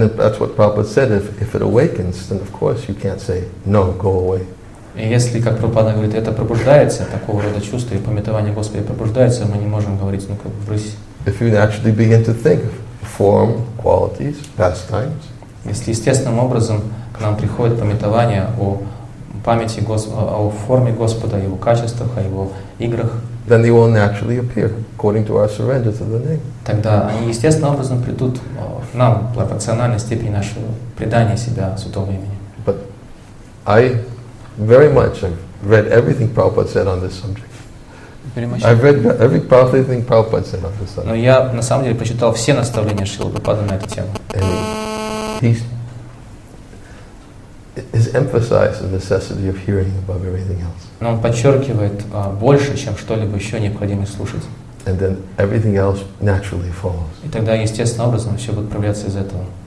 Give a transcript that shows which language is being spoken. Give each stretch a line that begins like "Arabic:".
English: And that's what Prabhupada said, if it awakens, then of course you can't say, no, go away.
Russian: И если, как Прабхупада говорит, это пробуждается, такого рода чувства и памятование Господа пробуждается, мы не можем говорить, ну как бы, брысь.
English: If you actually begin to think of form, qualities, pastimes.
Russian: Если естественным образом к нам приходит памятование о памяти Господа, о форме Господа, о Его качествах, о Его играх,
English: then they will naturally appear according to our surrender to the name.
Russian: Тогда они естественным образом придут к нам в пропорциональной степени нашего предания себя святого имени.
English: But I very much I've read everything Prabhupada said on this subject. I've read everything Prabhupada said on this subject.
Russian: Но я на самом деле прочитал все наставления Шрилы Прабхупады на эту тему.
English: And he is emphasized the necessity of hearing above everything else.
Russian: Но он подчеркивает больше, чем что-либо еще необходимо слушать.
English: And then everything else naturally follows.
Russian: И тогда естественным образом все будет проявляться из этого.